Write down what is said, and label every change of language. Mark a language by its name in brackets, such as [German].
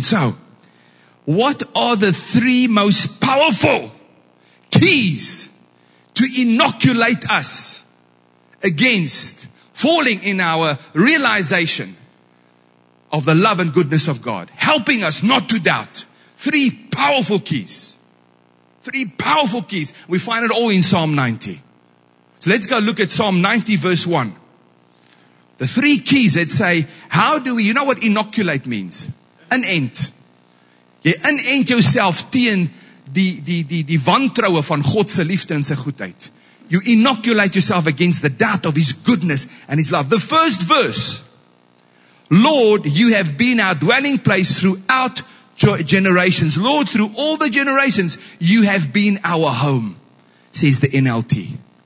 [English] So, what are the three most powerful keys to inoculate us against falling in our realization of the love and goodness of God, helping us not to doubt? Three powerful keys. Three powerful keys. We find it all in Psalm 90. So let's go look at Psalm 90 verse 1. The three keys that say, how do we, you know what inoculate means? [Afrikaans] Inent. Jy inent yourself teen die wantroue van God se liefde en sy goedheid. [English] You inoculate yourself against the doubt of his goodness and his love. The first verse, Lord, you have been our dwelling place throughout generations. Lord, through all the generations, you have been our home, says the NLT.